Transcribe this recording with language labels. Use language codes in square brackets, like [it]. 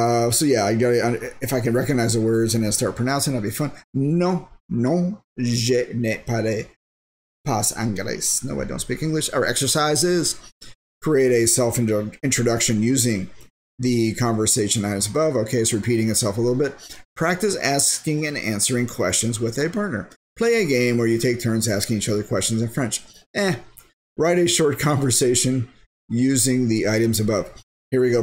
[en] So yeah, if I can recognize the words and then start pronouncing, that'd be fun. No. [fr] Non, je ne parle pas anglais. [en] No, I don't speak English. Our exercise is create a self-introduction using the conversation items above. Okay, it's repeating itself a little bit. Practice asking and answering questions with a partner. Play a game where you take turns asking each other questions in French. Write a short conversation using the items above. Here we go.